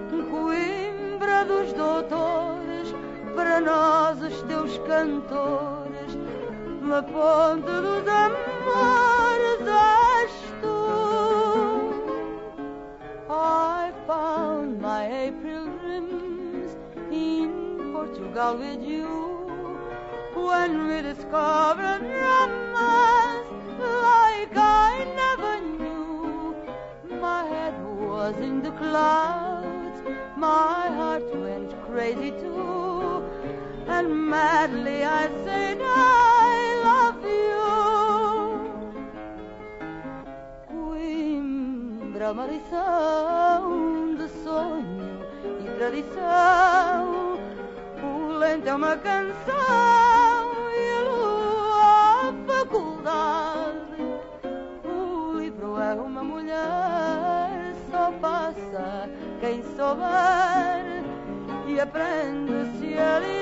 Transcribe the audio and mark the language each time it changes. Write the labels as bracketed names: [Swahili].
[Portuguese] Coimbra dos doutores, para nós os teus cantores, na ponte dos amores és tu. [English] I found my April dreams in Portugal with you, when we discovered romance like I never knew. My head was in the clouds, my heart went crazy too, and madly I said I love you. [Portuguese] Coimbra, maldição de sonho e tradição, o lento é uma canção e a lua a faculdade. O livro é uma mulher, só passa quem souber e aprende se a